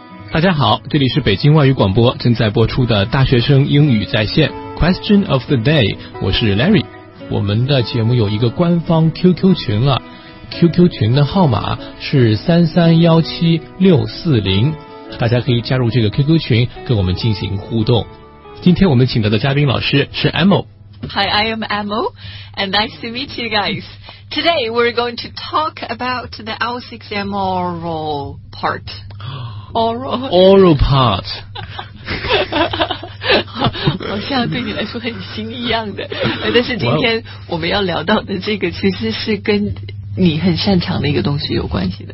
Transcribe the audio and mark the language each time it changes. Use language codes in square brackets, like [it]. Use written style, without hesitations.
[zh] 大家好，这里是北京外语广播正在播出的大学生英语在线 Question of the Day， 我是 Larry。我们的节目有一个官方 QQ 群了， QQ 群的号码是3317640，大家可以加入这个 QQ 群跟我们进行互动。今天我们请到的嘉宾老师是 Emo。 [en] Hi, I am Emo, and nice to meet you guys. Today we're going to talk about the IELTS exam oral part. Oral part. [zh] 好像对你来说很新一样的，但是今天我们要聊到的这个其实是跟你很擅长的一个东西有关系的。